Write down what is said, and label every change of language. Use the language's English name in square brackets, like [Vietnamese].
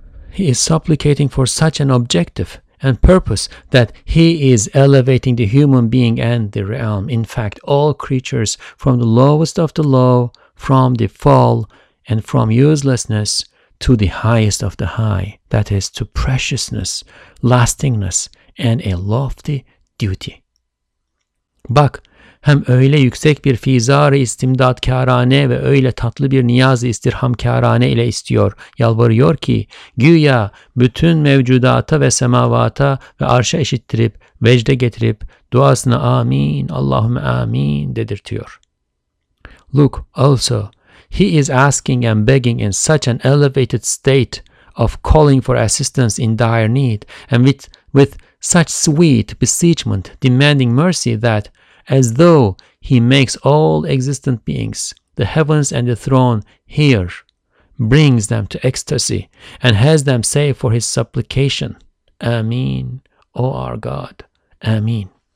[English] He is supplicating for such an objective and purpose that he is elevating the human being and the realm. In fact, all creatures from the lowest of the low, from the fall, and from uselessness, to the highest of the high, that is, to preciousness, lastingness, and a lofty duty. [Turkish] Bak, hem öyle yüksek bir fizar-ı istimdadkârâne ve öyle tatlı bir niyaz-ı istirhamkârâne ile istiyor, yalvarıyor ki, güya bütün mevcudata ve semavata ve arşa eşittirip, vecde getirip, duasına amin, Allahümme amin dedirtiyor. [English] Look, also, he is asking and begging in such an elevated state of calling for assistance in dire need, and with such sweet beseechment, demanding mercy, that as though he makes all existent beings, the heavens and the throne, hear, brings them to ecstasy, and has them say for his supplication, Amin, O our God, Amin.